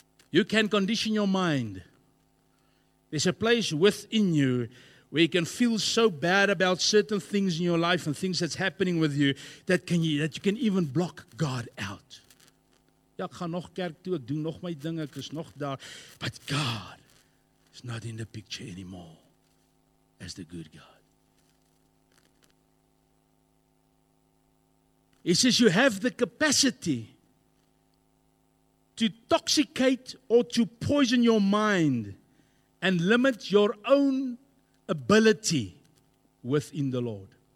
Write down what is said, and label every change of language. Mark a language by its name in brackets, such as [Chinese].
[English] You can condition your mind. There's a place within you where you can feel so bad about certain things in your life and things that's happening with you that you can even block God out. [Afrikaans] Ja, ek gaan nog kerk toe, ek doen nog my ding, ek is nog daar. [English] But God is not in the picture anymore as the good God. He says you have the capacity to intoxicate or to poison your mind and limit your own ability within the Lord.